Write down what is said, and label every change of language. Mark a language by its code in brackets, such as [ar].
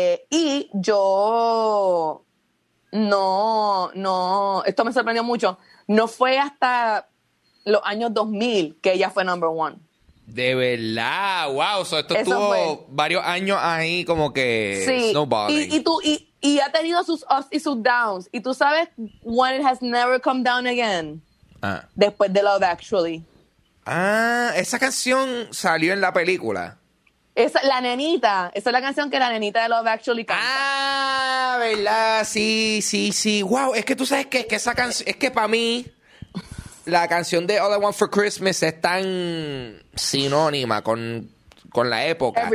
[es] Y yo no, esto me sorprendió mucho. No fue hasta los años 2000 que ella fue [en] number one. [es] De verdad, wow. So esto estuvo varios años ahí como que sí. [en] Snowballing. [es] Y ha tenido sus [en] ups [es] y sus [en] downs. [es] Y tú sabes, [en] when it has never come down again. Ah. [es] Después de Love Actually. Ah, esa canción salió en la película. Esa, la nenita. Esa es la canción que la nenita de Love Actually canta. Ah, ¿verdad? Sí, sí, sí. Wow, es que tú sabes que esa canción, es que para mí, la canción de All I Want for Christmas es tan sinónima con la época.